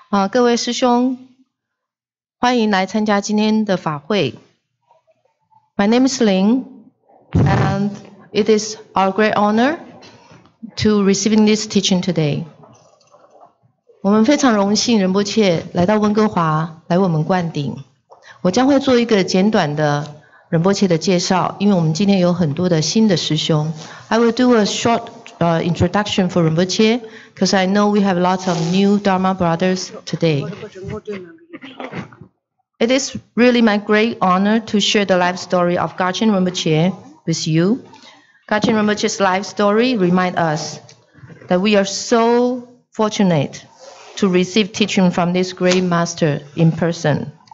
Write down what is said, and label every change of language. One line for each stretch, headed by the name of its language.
Chinese: 各位师兄，欢迎来参加今天的法会。
English: My name is Lin, and it is our great honor to receiving this teaching today.
Chinese: 我们非常荣幸，仁波切来到温哥华来我们灌顶。我将会做一个简短的仁波切的介绍，因为我们今天有很多的新的师兄。
English: I will do a short introduction for Rinpoche, because I know we have lots of new Dharma brothers today. It is really my great honor to share the life story of Gachen Rinpoche with you. Gachen Rinpoche's life story reminds us that we are so fortunate to receive teaching from this great master in person.